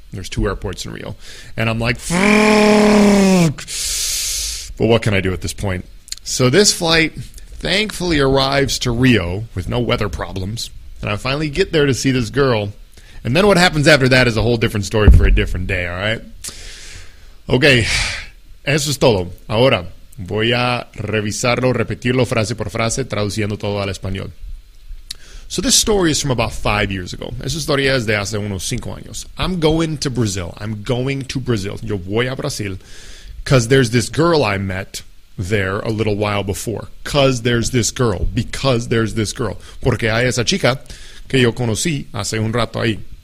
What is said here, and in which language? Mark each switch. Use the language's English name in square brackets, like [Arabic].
[English] There's two airports in Rio. And I'm like, fuck! But what can I do at this point? So this flight thankfully arrives to Rio with no weather problems. And I finally get there to see this girl. And then what happens after that is a whole different story for a different day, all right? [Spanish] Okay, eso es todo. Ahora voy a revisarlo, repetirlo frase por frase, traduciendo todo al español. [English] So this story is from about 5 years ago. [Spanish] Esa historia es de hace unos 5 años. [English] I'm going to Brazil. [Spanish] Yo voy a Brasil. [English] Because there's this girl I met there a little while before. Because there's this girl. [Spanish] Porque hay esa chica que yo conocí hace un rato ahí.